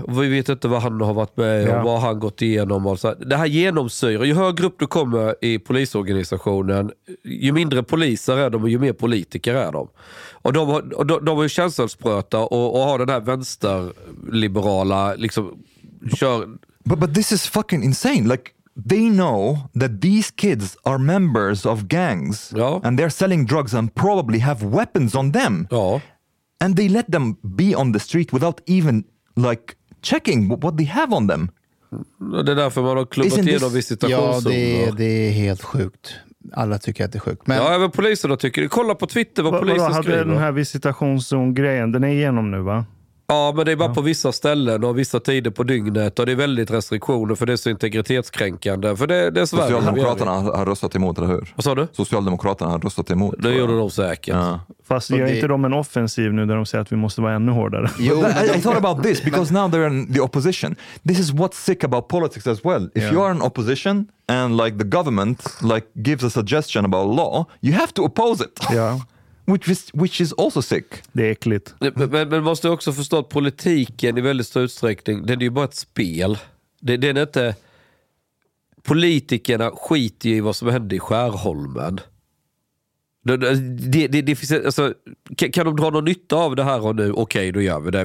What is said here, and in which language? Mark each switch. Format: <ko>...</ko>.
<sv>Vi vet inte vad han har varit med och vad han gått igenom. Och så. Det här genomsyrar. Ju högre upp du kommer i polisorganisationen, ju mindre poliser är de och ju mer politiker är de. Och de är känselspröta och har den här vänsterliberala liksom, kör...</sv> <en>But this is fucking insane. Like, they know that these kids are members of gangs and they're selling drugs and probably have weapons on them.</en> <sv>Ja.</sv> <en>And they let them be on the street without even like checking what they have on them.</en> <sv>Det är därför man har klubbat igenom visitationszoner. Ja, det är helt sjukt. Alla tycker att det är sjukt. Men... Ja, även poliserna tycker. Kolla på Twitter vad polisen skriver. Hade den här visitationszon-grejen, den är igenom nu va? Ja, men det är bara på vissa ställen och vissa tider på dygnet och det är väldigt restriktioner för det är så integritetskränkande. För det är Sverige. Socialdemokraterna har röstat emot, eller hur? Vad sa du? Socialdemokraterna har röstat emot. Det gjorde de säkert. Ja. Fast gör inte de en offensiv nu där de säger att vi måste vara ännu hårdare?</sv> <en>Jo, I thought about this because now they're in the opposition. This is what's sick about politics as well. If you are in opposition and like the government like gives a suggestion about law, you have to oppose it.</en> <sv>Ja.</sv> <en>Which is also sick.</en> <sv>Det är äckligt. Men måste också förstå att politiken i väldigt stor utsträckning, den är ju bara ett spel. Den är inte... Politikerna skiter ju i vad som händer i Skärholmen. Det finns, alltså, kan de dra någon nytta av det här och nu? Okej, då gör vi det.</sv>